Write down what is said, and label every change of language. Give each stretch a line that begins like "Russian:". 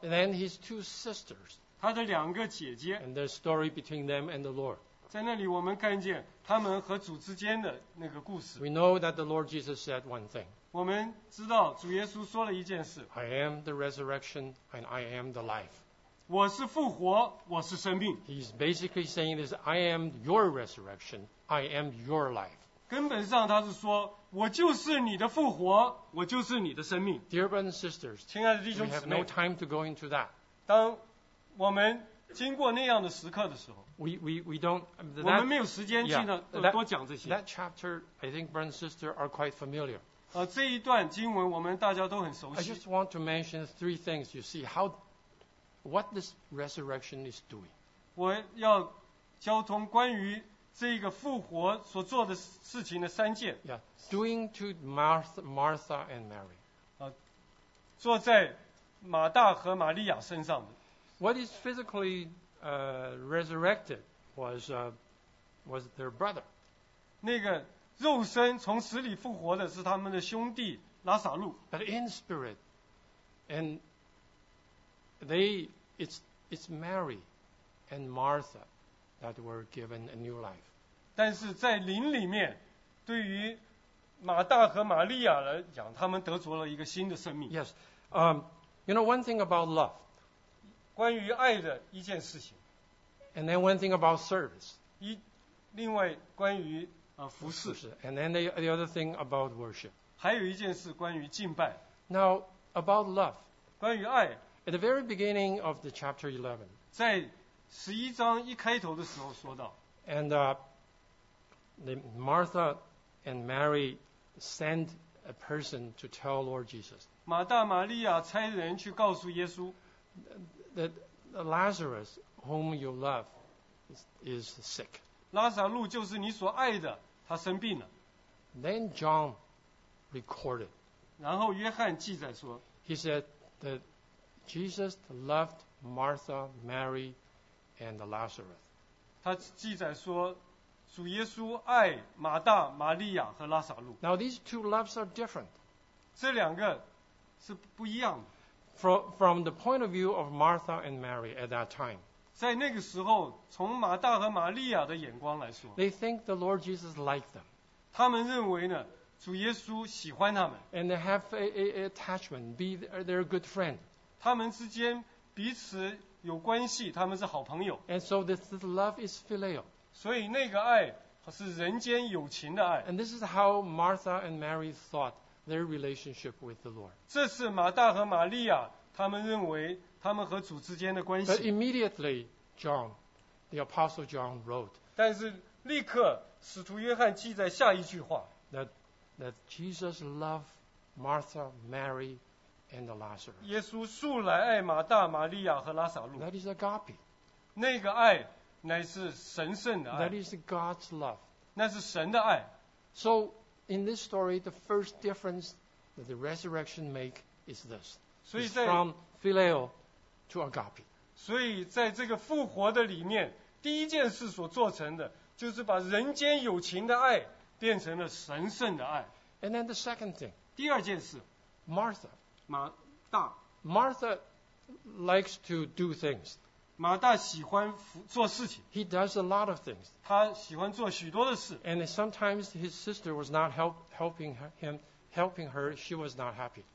English: And then his two sisters.
Chinese: 他的两个姐姐，
English: and the story between them and the Lord.
Chinese: 在那里我们看见他们和主之间的那个故事。
English: We know that the Lord Jesus said one thing.
Chinese: 我们知道主耶稣说了一件事。
English: I am the resurrection and I am the life.
Chinese: 我是复活，我是生命。
English: He's basically saying this: I am your resurrection, I am your life.
Chinese: 根本上他是说，我就是你的复活，我就是你的生命。
English: Dear brothers and sisters,
Chinese: 亲爱的弟兄姊妹，
English: we have no time to go into that.
Chinese: 当我们经过那样的时刻的时候，
English: we don't
Chinese: 我们没有时间去多讲这些。
English: That chapter, I think brothers and sisters are quite familiar.
Chinese: 这一段经文我们大家都很熟悉。
English: I just want to mention three things. You see how what this resurrection is doing.
Chinese: 我要交通关于这个复活所做的事情的三件。
English: Yeah, doing to Martha and Mary.
Chinese: 坐在马大和玛利亚身上的。
English: What is physically resurrected was their brother.
Chinese: 那个肉身从死里复活的是他们的兄弟拉撒路。
English: But in spirit, and it's Mary and Martha that were given a new life.
Chinese: 但是在灵里面，对于马大和玛利亚来讲，他们得着了一个新的生命。
English: Yes, you know one thing about love.
Chinese: 关于爱的一件事情。
English: And then one thing about service.
Chinese: 另外关于服侍。
English: And then the other thing about worship.
Chinese: 还有一件事关于敬拜。
English: Now, about love.
Chinese: 关于爱。
English: At the very beginning of the chapter 11.
Chinese: 在十一章一开头的时候说到。
English: And Martha and Mary sent a person to tell Lord Jesus.
Chinese: 马大玛利亚差人去告诉耶稣。
English: That Lazarus, whom you love, is sick.
Chinese: 拉撒路就是你所爱的，他生病了。
English: Then John recorded.
Chinese: 然后约翰记载说。
English: He said that Jesus loved Martha, Mary, and Lazarus.
Chinese: 他记载说，主耶稣爱马大、玛利亚和拉撒路。
English: Now these two loves are different.
Chinese: 这两个是不一样的。
English: From the point of view of Martha and Mary at that time,
Chinese: 在那个时候，从马大和玛利亚的眼光来说，
English: they think the Lord Jesus liked them.
Chinese: 他们认为呢，主耶稣喜欢他们。
English: And they have an attachment, be their good friend.
Chinese: 他们之间彼此有关系，他们是好朋友。
English: And so this love is filial.
Chinese: 所以那个爱是人间友情的爱。
English: And this is how Martha and Mary thought. Their relationship with the Lord.
Chinese: 这是马大和玛利亚他们认为他们和主之间的关系。
English: But immediately, John, the Apostle John wrote.
Chinese: 但是立刻使徒约翰记载下一句话。
English: That Jesus loved Martha, Mary, and Lazarus.
Chinese: 耶稣素来爱马大、玛利亚和拉撒路。
English: That is agape.
Chinese: 那个爱乃是神圣的爱。
English: That is God's love.
Chinese: 那是神的爱。
English: So. In this story, the first difference that the resurrection make is this. It's from phileo to agape.
Chinese: 所以在这个复活的里面，第一件事所做成的，就是把人间友情的爱变成了神圣的爱。
English: And then the second thing.
Chinese: 第二件事，
English: Martha.
Chinese: 马大。
English: Martha likes to do things.
Chinese: 马大喜欢做事情。
English: He does a lot of things.
Chinese: 他喜欢做许多的事。
English: And sometimes his sister was not helping her, she was not happy.